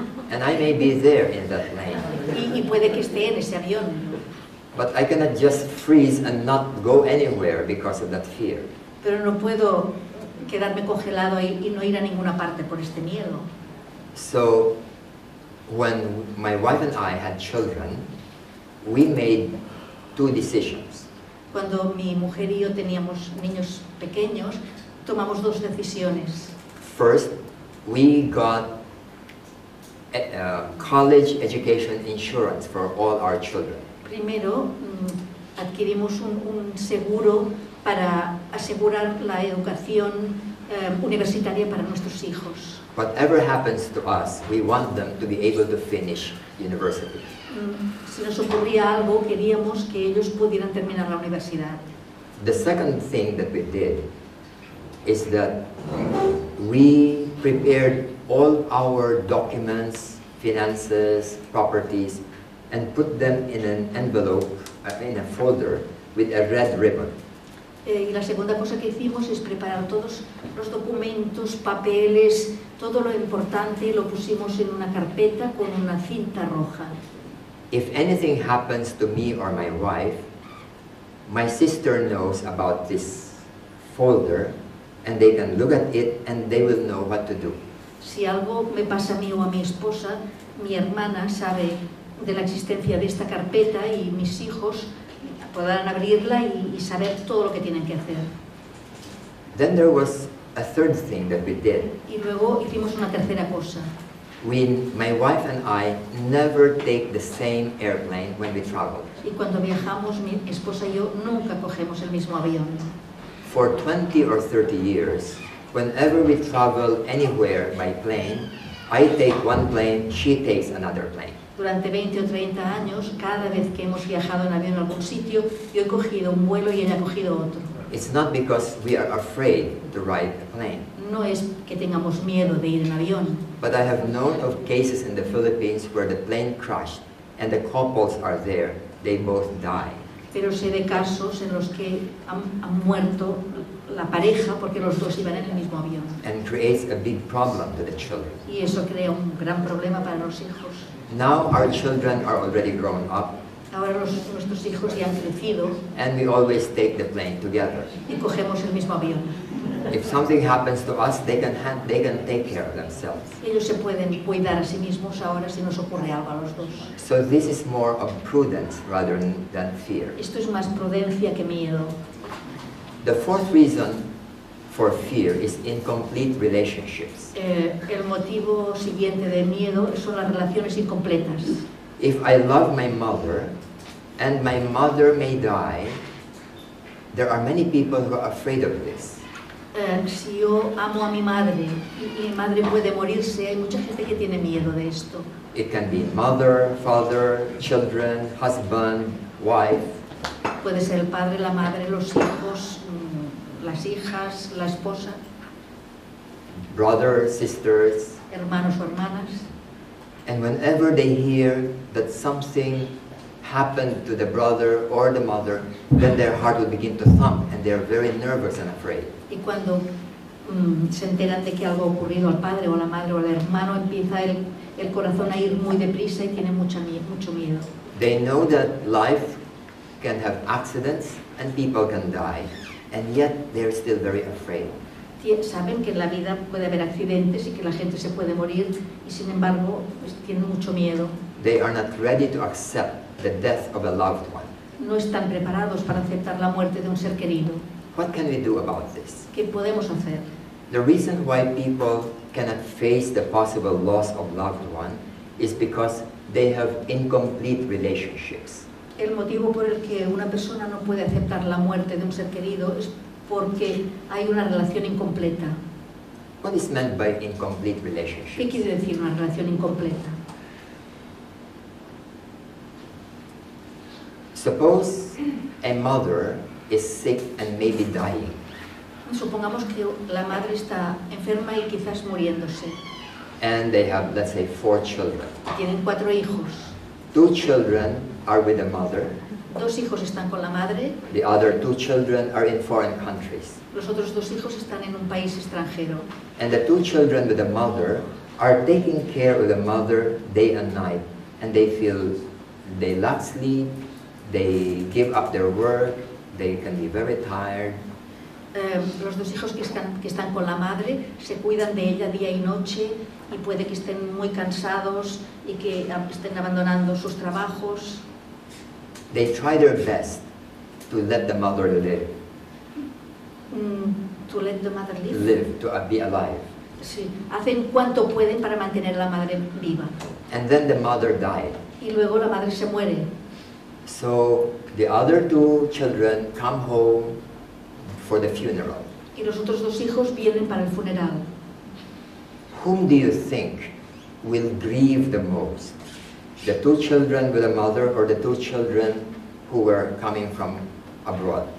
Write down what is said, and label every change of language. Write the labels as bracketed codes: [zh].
[en] And I may be there in that plane. [es] Y puede que esté en ese avión. [en] But I cannot just freeze and not go anywhere because of that fear. [es] Pero no puedo quedarme congelado y no ir a ninguna parte por este miedo. [en] So when my wife and I had children, we made two decisions. [es] Cuando mi mujer y yo teníamos niños pequeños, tomamos dos decisiones. [en] First, we got college education insurance for all our children. [es] Primero, adquirimos un seguro para asegurar la educación universitaria para nuestros hijos. [en] Whatever happens to us, we want them to be able to finish university. [es] Si nos ocurría algo, queríamos que ellos pudieran terminar la universidad. [en] The second thing that we did is that we prepared all our documents, finances, properties, and put them in an envelope, in a folder, with a red ribbon. [es] Y la segunda cosa que hicimos es preparar todos los documentos, papeles, todo lo importante, lo pusimos en una carpeta con una cinta roja. [en] If anything happens to me or my wife, my sister knows about this folder, and they can look at it and they will know what to do. [es] Si algo me pasa a mí o a mi esposa, mi hermana sabe de la existencia de esta carpeta y mis hijos podrán abrirla y saber todo lo que tienen que hacer. [en] Then there was a third thing that we did. [es] Y luego hicimos una tercera cosa. [en] My wife and I never take the same airplane when we travel. [es] Y cuando viajamos, mi esposa y yo nunca cogemos el mismo avión. [en] For 20 or 30 years, whenever we travel anywhere by plane, I take one plane, she takes another plane. [es] Durante 20 o 30 años, cada vez que hemos viajado en avión a algún sitio, yo he cogido un vuelo y ella ha cogido otro. [en] It's not because we are afraid to ride a plane. [es] No es que tengamos miedo de ir en avión. [en] But I have known of cases in the Philippines where the plane crashed and the couples are there, they both die. [es] Pero sé de casos en los que han muerto la pareja porque los dos iban en el mismo avión. [en] And creates a big problem to the children. [es] Y eso crea un gran problema para los hijos. [en] Now our children are already grown up. [es] Ahora nuestros hijos ya han crecido. [en] And we always take the plane together. [es] Y cogemos el mismo avión. [en] If something happens to us, they can take care of themselves. [es] Ellos se pueden cuidar a sí mismos ahora si nos ocurre algo a los dos. [en] So this is more of prudence rather than fear. [es] Esto es más prudencia que miedo. [en] The fourth reason for fear is incomplete relationships. [es] El motivo siguiente de miedo son las relaciones incompletas. [en] If I love my mother and my mother may die, there are many people who are afraid of this. [es] Si yo amo a mi madre y mi madre puede morirse, hay mucha gente que tiene miedo de esto. [en] It can be mother, father, children, husband, wife. [es] Puede ser el padre, la madre, los hijos, las hijas, la esposa. [en] Brothers, sisters. [es] Hermanos o hermanas. [en] And whenever they hear that something happened to the brother or the mother, then their heart will begin to thump and they are very nervous and afraid. [es] Y cuando se enteran de que algo ha ocurrido al padre o la madre o al hermano, empieza el corazón a ir muy deprisa y tiene mucho miedo. [en] They know that life can have accidents and people can die, and yet they're still very afraid. [es] Saben que en la vida puede haber accidentes y que la gente se puede morir y sin embargo pues, tienen mucho miedo. [en] They are not ready to accept the death of a loved one. [es] No están preparados para aceptar la muerte de un ser querido. [en] What can we do about this? [es] ¿Qué podemos hacer? [en] The reason why people cannot face the possible loss of loved one is because they have incomplete relationships. [es] El motivo por el que una persona no puede aceptar la muerte de un ser querido es porque hay una relación incompleta. [en] What is meant by incomplete relationship? [es] ¿Qué quiere decir una relación incompleta? [en] Suppose a mother is sick and maybe dying. [es] Supongamos que la madre está enferma y quizás muriéndose. [en] And they have, let's say, four children. [es] Tienen cuatro hijos. [en] Two children are with the mother. [es] Dos hijos están con la madre. [en] The other two children are in foreign countries. [es] Los otros dos hijos están en un país extranjero. [en] And the two children with the mother are taking care of the mother day and night. And they feel they lack sleep, they give up their work, they can be very tired. [es] Los dos hijos que están con la madre se cuidan de ella día y noche y puede que estén muy cansados y que estén abandonando sus trabajos. [en] They try their best to let the mother live. To let the mother live. Live, to be alive. [es] Sí, hacen cuanto pueden para mantener a la madre viva. [en] And then the mother died. [es] Y luego la madre se muere. [en] So the other two children come home for the funeral. [es] Y los otros dos hijos vienen para el funeral. [en] Whom do you think will grieve the most? The two children with a mother or the two children who were coming from abroad?